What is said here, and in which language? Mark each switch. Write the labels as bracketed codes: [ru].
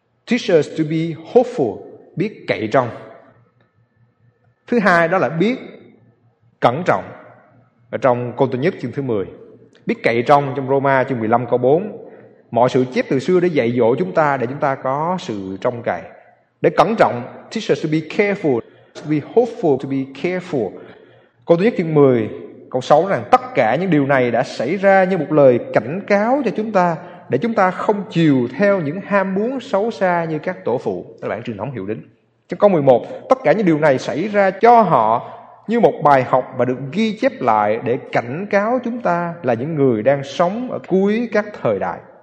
[en] Teach us to be hopeful, [vi] biết cậy trông. Thứ hai đó là biết cẩn trọng. Ở trong câu thứ nhất chương thứ 10, biết cậy trong Roma chương 15 câu 4: mọi sự chép từ xưa để dạy dỗ chúng ta, để chúng ta có sự trông cậy, để cẩn trọng. [en] Teach us to be careful, to be hopeful, to be careful. [vi] Câu thứ nhất chương 10 câu 6 rằng: tất cả những điều này đã xảy ra như một lời cảnh cáo cho chúng ta, để chúng ta không chiều theo những ham muốn xấu xa như các tổ phụ. Các bạn truyền thống hiểu đến. Trong câu 11: tất cả những điều này xảy ra cho họ như một bài học và được ghi chép lại để cảnh cáo chúng ta là những người đang sống ở cuối các thời đại.